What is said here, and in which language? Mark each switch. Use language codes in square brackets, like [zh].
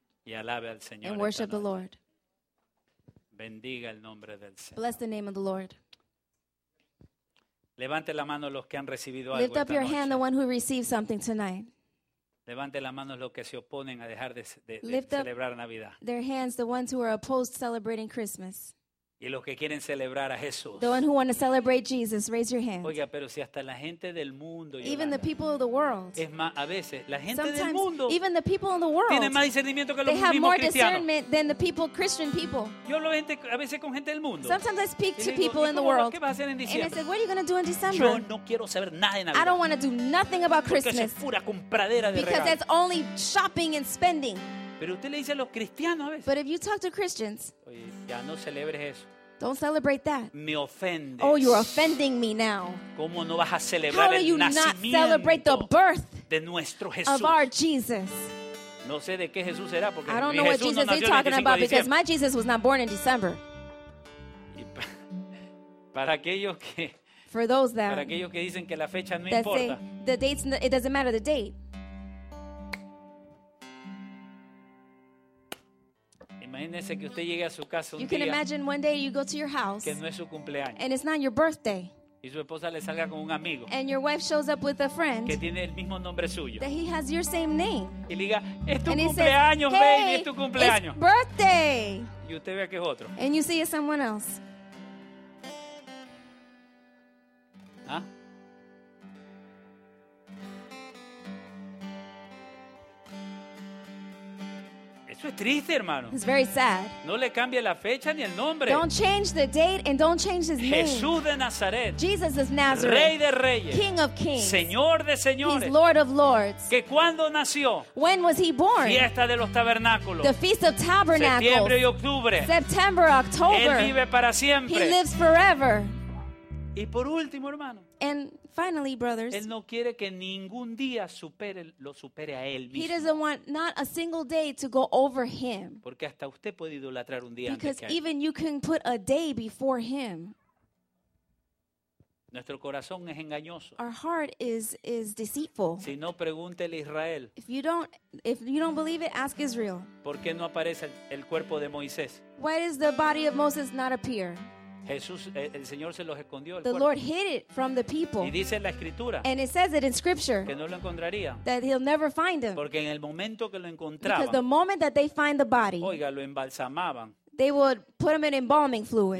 [es] Y alabe al Señor. [en] And worship the Lord. [es] Bendiga el nombre del Señor. [en] Bless the name of the Lord. [es] Levante la mano los que han recibido [en] Lift [es] algo esta [en] Lift up your [es] noche. [en] Hand, the one who received something tonight. [es] Levante la mano los que se oponen a dejar de celebrar Navidad. [en] Lift up their hands, the ones who are opposed celebrating Christmas. [es] Y los que quieren celebrar a Jesús. [en] The one who want to celebrate Jesus, raise your hand. [es] Oiga, pero si hasta la gente del mundo. [en] Even the people of the world. [es] Es más, a veces la gente del mundo. [en] Even the people in the world. [es] Tienen más discernimiento que los mismos cristianos. [en] They have more discernment than the people, Christian people. [es] Yo lo veo a veces con gente del mundo. [en] Sometimes I speak to [es] digo, [en] people in the world. [es] ¿Qué vas a hacer en diciembre? [en] And I said, what are you going to do in December? [es] Yo no quiero saber nada de Navidad. [en] I don't want to do nothing about Christmas. [es] Porque es pura compradera de [en] because [es] regalos. [en] Because it's only shopping and spending. [es] Pero usted le dice a los cristianos a veces. [en] But if you talk to Christians. [es] Ya no celebres eso. [en] Don't celebrate that. [es] Me ofendes. [en] Oh, you're offending me now. [es] ¿Cómo no vas a celebrar [en] How [es] el nacimiento [en] celebrate the birth [es] de nuestro Jesús? [en] Of our Jesus. [es] No sé de qué Jesús será porque [en] I don't know [es] Jesús [en] what Jesus [es] no [en] you're talking about because my Jesus was not born in December. [es] Para aquellos que [en] For those that [es] Para aquellos que dicen que la fecha no [en] that [es] importa. [en] The dates it doesn't matter the date. [es] Imagínese que usted llegue a su casa un día. [en] You can imagine one day you go to your house. [es] Que no es su cumpleaños. [en] And it's not your birthday. [es] Y su esposa le salga con un amigo. [en] And your wife shows up with a friend. [es] Que tiene el mismo nombre suyo. [en] That he has your same name. [es] Y le diga, es tu cumpleaños, [en] baby, [es] es tu cumpleaños. [en] It's birthday. [es] Y usted vea que es otro. [en] And you see it's someone else. ¿Ah? [es] Eso es triste, hermano. [en] It's very sad. [es] No le cambie la fecha ni el nombre. [en] Don't change the date and don't change his name. [es] Jesús de Nazaret. [en] Jesus of Nazareth. [es] Rey de reyes. [en] King of kings. [es] Señor de señores. [en] He's Lord of lords. [es] ¿Que cuándo nació? [en] When was he born? [es] Fiesta de los tabernáculos. [en] The Feast of Tabernacles. [es] Septiembre y octubre. [en] September, October. [es] Él vive para siempre. [en] He lives forever. [es] Y por último, hermano. [en] And finally, brothers. [es] Él no quiere que ningún día lo supere a él mismo. [en] He doesn't want not a single day to go over him. [es] Porque hasta usted puede idolatrar un día. [en] Because [es] antes que [en] even you can put a day before him. [es] Nuestro corazón es engañoso. [en] Our heart is deceitful. [es] Si no, pregúntele a Israel. [en] If you don't believe it, ask Israel. [es] ¿Por qué no aparece el cuerpo de Moisés? [en] Why does the body of Moses not appear? [es] Jesús, el Señor se los escondió. [en] The Lord hid it from the people. [es] Y dice la Escritura. [en] And it says it in Scripture. [es] Que no lo encontraría. [en] That he'll never find him. [es] Porque en el momento que lo encontraban. [en] Because the moment that they find the body. [es] Oiga, lo embalsamaban. [en] They would put him in embalming fluid.